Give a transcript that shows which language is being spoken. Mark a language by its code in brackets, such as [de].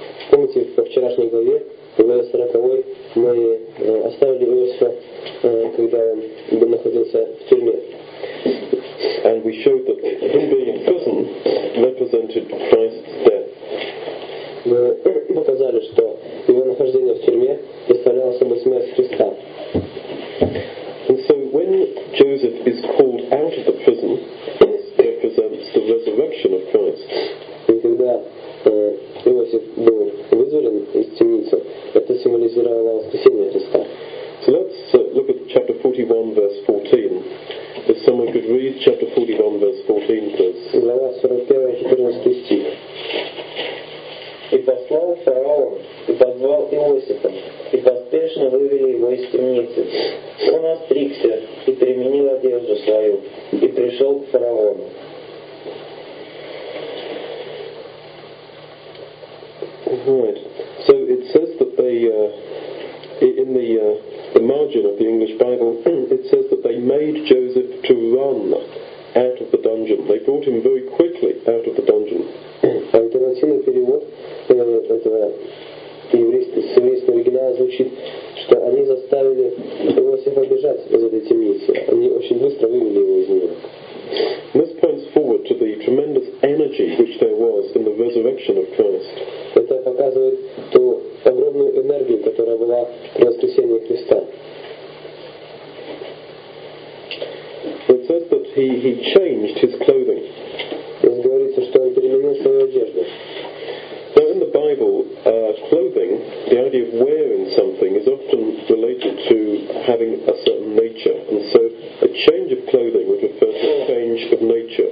[ru] Помните, в вчерашней главе, в главе 40-й, мы оставили Иосифа, когда он находился в тюрьме. [en] And we showed that him being in prison represented Christ's death. [ru] Мы показали, что его нахождение в тюрьме представляло собой смерть Христа. [en] And so when Joseph is called out of the prison, this represents the resurrection of Christ. [ru] И когда Иосиф был вызволен из темницы, это символизировало воскресение Христа. [en] So let's look at chapter 41, verse 14. If someone could read chapter 41, verse 14, please. [ru] Глава 41, 14 стих. И послал фараон, и позвал Иосифа, и поспешно вывели его из темницы. Он остригся и переменил одежду свою, и пришел к фараону. [en] Right. So it says that they, in the margin of the English Bible, it says that they made Joseph to run out of the dungeon. They brought him very quickly out of the dungeon. [ru] Альтернативный перевод этого еврейского оригинала звучит, что они заставили Иосифа бежать из этой темницы. Они очень быстро вывели его из нее. [en] This points forward to the tremendous energy which there was in the resurrection of Christ. [ru] Это показывает ту огромную энергию, которая была при воскресении Христа. [en] It says that he changed his clothing. [ru] Говорится, что он переменил свою одежду. [en] Now in the Bible, clothing, the idea of wearing something, is often related to having a certain nature. And so a change of clothing would refer to a change of nature.